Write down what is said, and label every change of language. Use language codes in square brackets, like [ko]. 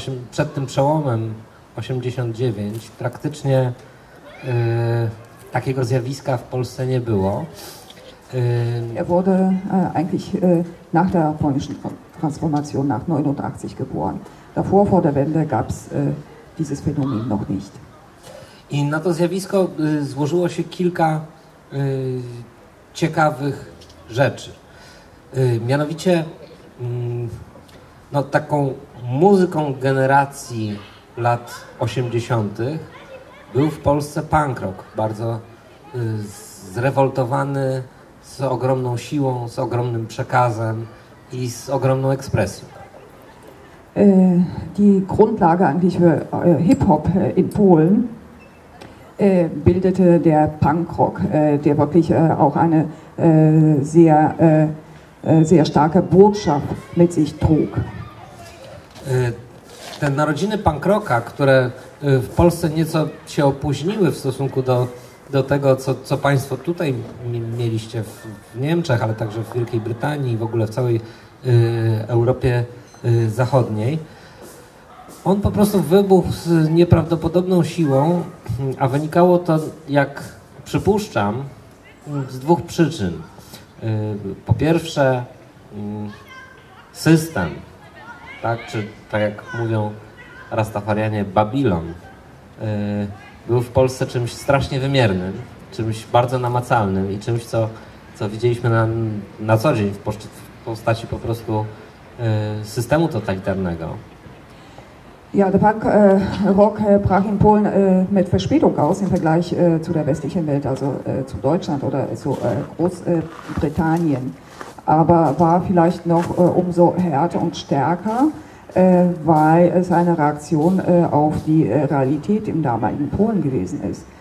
[pl] Przed tym przełomem 89 praktycznie takiego zjawiska w Polsce nie było. [de] Er wurde eigentlich nach der polnischen Transformation nach 89 geboren. Davor, vor der Wende, gab es dieses Phänomen noch nicht. [pl] I na to zjawisko złożyło się kilka ciekawych rzeczy. Mianowicie taką muzyką generacji lat 80. był w Polsce punk rock, bardzo zrewoltowany, z ogromną siłą, z ogromnym przekazem i z ogromną ekspresją. [de] Die Grundlage eigentlich für Hip-Hop in Polen bildete der Punkrock, der wirklich auch eine sehr starke Botschaft mit sich trug. [pl] Te narodziny punkrocka, które w Polsce nieco się opóźniły w stosunku do tego, co Państwo tutaj mieliście w Niemczech, ale także w Wielkiej Brytanii i w ogóle w całej Europie Zachodniej. On po prostu wybuchł z nieprawdopodobną siłą, a wynikało to, jak przypuszczam, z dwóch przyczyn. Po pierwsze, system, tak? Czy tak jak mówią Rastafarianie, Babilon, był w Polsce czymś strasznie wymiernym, czymś bardzo namacalnym i czymś, co widzieliśmy na co dzień w postaci po prostu systemu totalitarnego. [de] Ja, der Punkrock brach in Polen mit Verspätung aus im Vergleich zu der westlichen Welt, also zu Deutschland oder zu Großbritannien. Aber war vielleicht noch umso härter und stärker, weil es eine Reaktion auf die Realität im damaligen Polen gewesen ist.